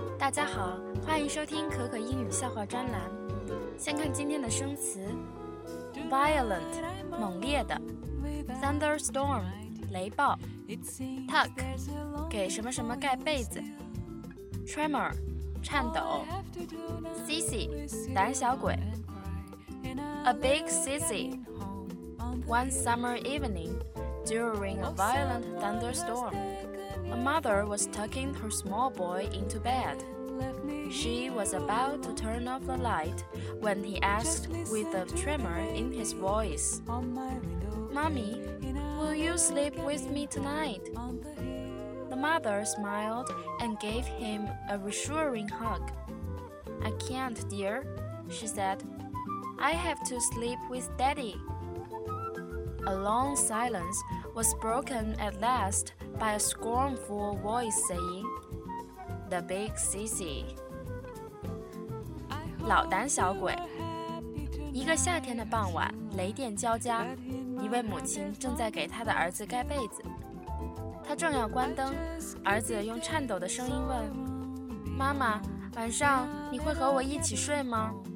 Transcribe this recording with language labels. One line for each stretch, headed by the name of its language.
Chinese: 家好，欢迎收听可可英语笑话专栏。先看今天的生词
English: violent 猛烈的 thunderstorm 雷暴 tuck
Chinese: 给什么什么盖被子
English: tremor 颤抖 sissy 胆小鬼 a big sissy one summer eveningDuring a violent thunderstorm, a mother was tucking her small boy into bed. She was about to turn off the light when he asked with a tremor in his voice, Mommy, will you sleep with me tonight? The mother smiled and gave him a reassuring hug. I can't, dear, she said. I have to sleep with Daddy. A long silence was broken at last by a scornful voice saying, The big sissy.
Chinese: 老胆小鬼。一个夏天的傍晚，雷电交加，一位母亲正在给她的儿子盖被子。她正要关灯，儿子用颤抖的声音问，妈妈，晚上你会和我一起睡吗？